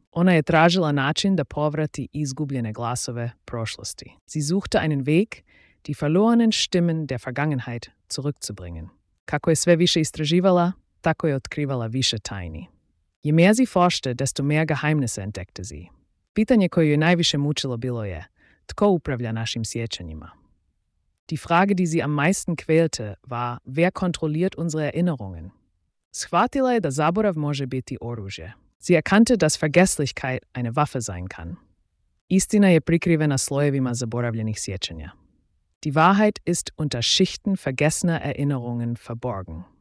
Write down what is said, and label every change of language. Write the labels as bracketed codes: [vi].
[hr] Ona je tražila način da povrati izgubljene glasove prošlosti. [de] Sie suchte einen Weg, die verlorenen Stimmen der Vergangenheit zurückzubringen. [hr] Kako je sve više istraživala, tako je otkrivala više tajni. [de] Je mehr sie forschte, desto mehr Geheimnisse entdeckte sie. [hr] Pitanje koje je najviše mučilo bilo je, tko upravlja našim sjećanjima? [de] Die Frage, die sie am meisten quälte, war, wer kontrolliert unsere Erinnerungen? [hr] Shvatila je da zaborav može biti oružje. [de] Sie erkannte, dass Vergesslichkeit eine Waffe sein kann. [hr] Istina je prikrivena slojevima zaboravljenih sjećanja. [de] Die Wahrheit ist unter Schichten vergessener Erinnerungen verborgen.